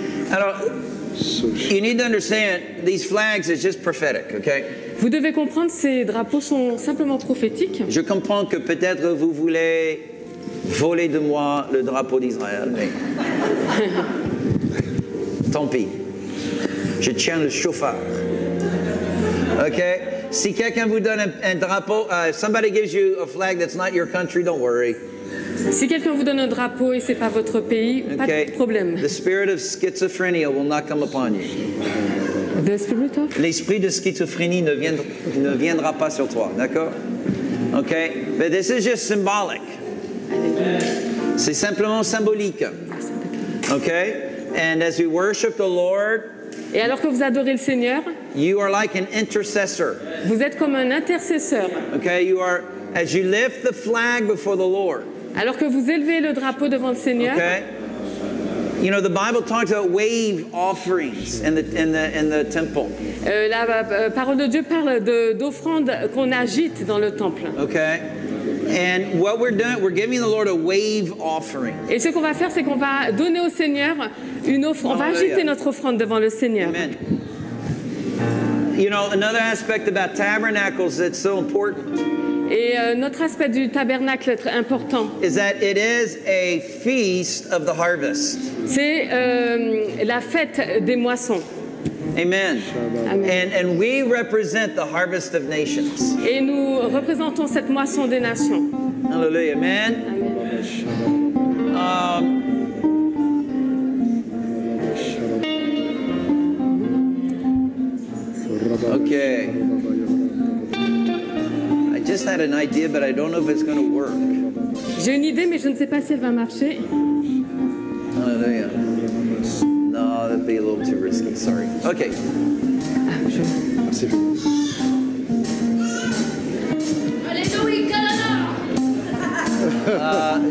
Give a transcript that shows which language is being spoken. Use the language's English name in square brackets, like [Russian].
[English] Alors, you need to understand, these flags is just prophetic, okay? [French] Vous devez comprendre, ces drapeaux sont simplement prophétiques. Je comprends que peut-être vous voulez voler de moi le drapeau d'Israël, mais tant pis. Je tiens le chauffard. OK? Si quelqu'un vous donne un drapeau, [English] if somebody gives you a flag that's not your country, don't worry. [French] Si quelqu'un vous donne un drapeau et c'est pas votre pays, okay. Pas de problème. [English] The spirit of schizophrenia will not come upon you. The spirit of? [French] L'esprit de schizophrénie ne viendra pas sur toi, d'accord? [English] OK? But this is just symbolic. [French] C'est simplement symbolique. [English] OK? And as we worship the Lord, [French] et alors que vous adorez le Seigneur, [English] you are like an intercessor. [French] Vous êtes comme un intercesseur. [English] OK? You are, as you lift the flag before the Lord, [French] alors que vous élevez le drapeau devant le Seigneur. [English] Okay. You know, the Bible talks about wave offerings in the temple. [French] La parole de Dieu parle d'offrandes qu'on agite dans le temple. [English] Okay. And what we're doing, we're giving the Lord a wave offering. [French] Et ce qu'on va faire, c'est qu'on va donner au Seigneur une offrande. On va agiter notre offrande devant le Seigneur. [English] Amen. You know, another aspect about tabernacles that's so important. [French] Et notre aspect du tabernacle est très important. [English] Is that it is a feast of the harvest. [French] C'est la fête des moissons. [English] Amen. And we represent the harvest of nations. [French] Et nous représentons cette moisson des nations. [English] Hallelujah. Amen. Okay. I just had an idea, but I don't know if it's going to work. [French] J'ai une idée, mais je ne sais pas si elle va marcher. [English] Hallelujah. No, that'd be a little too risky. Sorry. Okay. [French] Alléluia.